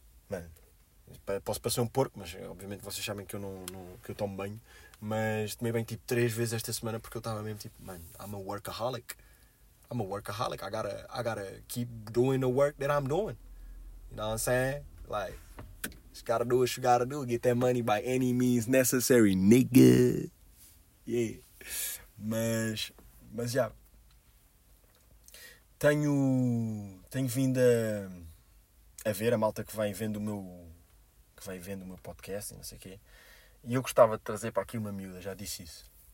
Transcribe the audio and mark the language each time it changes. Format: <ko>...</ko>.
<pt>mano, posso parecer um porco, mas obviamente vocês sabem que eu tomo banho, mas tomei banho tipo 3 vezes esta semana, porque eu estava mesmo tipo, mano,</pt> <en>I'm a workaholic, I gotta keep doing the work that I'm doing. You know what I'm saying? Like... Just gotta do what you gotta do. Get that money by any means necessary, nigga.</en> <pt>Yeah. Mas já. Tenho vindo a ver a malta que vem vendo o meu. Que vem vendo o meu podcast e não sei o quê. E eu gostava de trazer para aqui uma miúda, já disse isso.</pt>